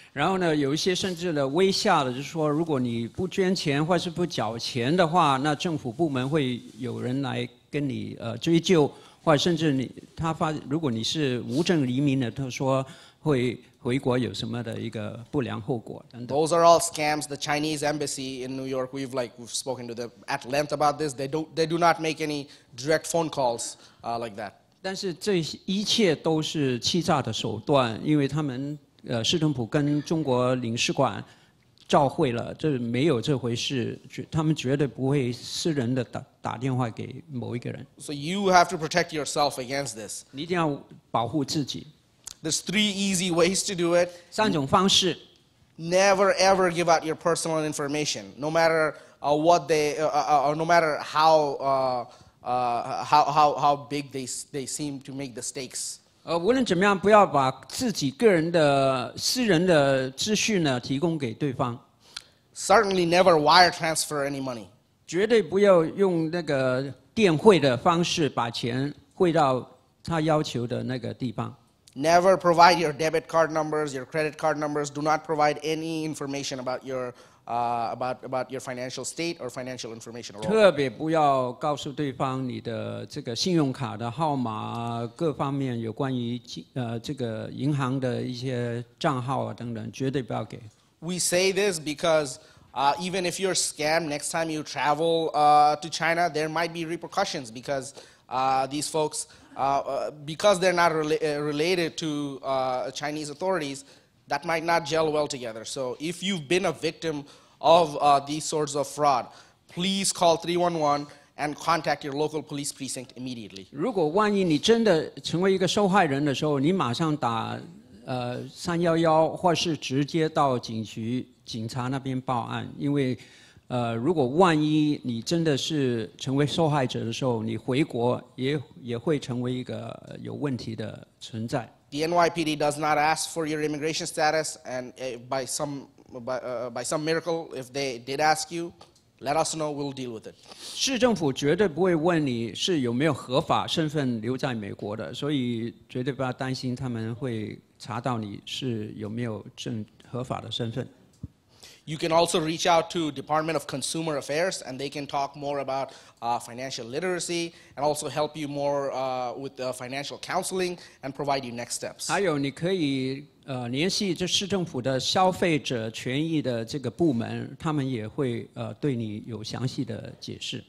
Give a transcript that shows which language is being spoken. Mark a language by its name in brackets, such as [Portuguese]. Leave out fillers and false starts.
[Chinese] 然后呢，有一些甚至的威吓的，就是说，如果你不捐钱或是不缴钱的话，那政府部门会有人来跟你追究，或者甚至如果你是无证移民的，他说会回国有什么的一个不良后果等等。 [English] Those are all scams. The Chinese embassy in New York, we've spoken to them at length about this. They do not make any direct phone calls like that. [Chinese] 但是这一切都是欺诈的手段，因为他们市政府跟中国领事馆召会了，这没有这回事，他们绝对不会私人的打电话给某一个人。 [English] So you have to protect yourself against this. [Chinese] 你一定要保护自己。 [English] There's three easy ways to do it. [Chinese] 三种方式。 [English] Never ever give out your personal information, no matter what they, no matter how big they seem to make the stakes. [Chinese] 无论怎么样，不要把自己个人的私人的资讯呢提供给对方。 [English] Certainly never wire transfer any money. [Chinese] 绝对不要用那个电汇的方式把钱汇到他要求的那个地方。 [English] Never provide your debit card numbers, your credit card numbers. Do not provide any information about your financial state or financial information. [Chinese] 特别不要告诉对方你的这个信用卡的号码，各方面有关于这个银行的一些账号啊等等，绝对不要给。 [English] We say this because even if you're scammed, next time you travel to China, there might be repercussions because these folks. Because they're not related to Chinese authorities, that might not gel well together. So if you've been a victim of these sorts of fraud, please call 311 and contact your local police precinct immediately. [Chinese] 如果万一你真的成为一个受害人的时候，你马上打311，或是直接到警局警察那边报案，因为如果万一你真的是成为受害者的时候，你回国也会成为一个有问题的存在。 [English] The NYPD does not ask for your immigration status, and by some miracle, if they did ask you, let us know, we'll deal with it. [Chinese] 市政府绝对不会问你是有没有合法身份留在美国的，所以绝对不要担心他们会查到你是有没有合法的身份。 [English] You can also reach out to Department of Consumer Affairs, and they can talk more about financial literacy and also help you more with financial counseling and provide you next steps. [Chinese] 还有，你可以联系这市政府的消费者权益的这个部门，他们也会对你有详细的解释。